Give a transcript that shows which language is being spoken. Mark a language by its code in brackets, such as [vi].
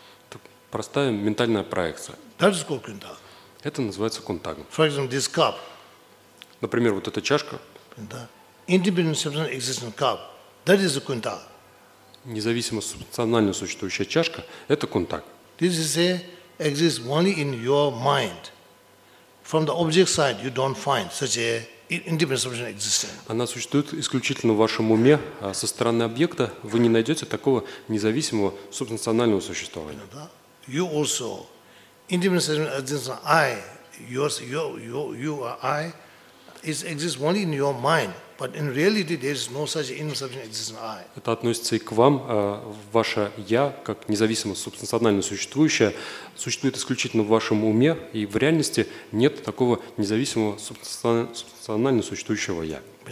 [ru] Это простая ментальная проекция. [en] That is called kuntag. [ru] Это называется кунтагом. [en] For example, this cup. [ru] Например, вот эта чашка. [en] Independent substantial existent cup. That is a kuntag. [ru] Независимо субстанционально существующая чашка – это кунтаг. [en] This is exists only in your mind. From the object side, you don't find such a independent substantial existence. [ru] Она существует исключительно в вашем уме, а со стороны объекта вы не найдете такого независимого субстанционального существования. [en] You also independent substantial existence. I, yours, you are I. It exists only in your mind, but in reality, there is no such independent substantial existence. I. [ru] Это относится и к вам, ваше я как независимо субстанционально существующее. Существует исключительно в вашем уме, и в реальности нет такого независимого субстанционально существующего я.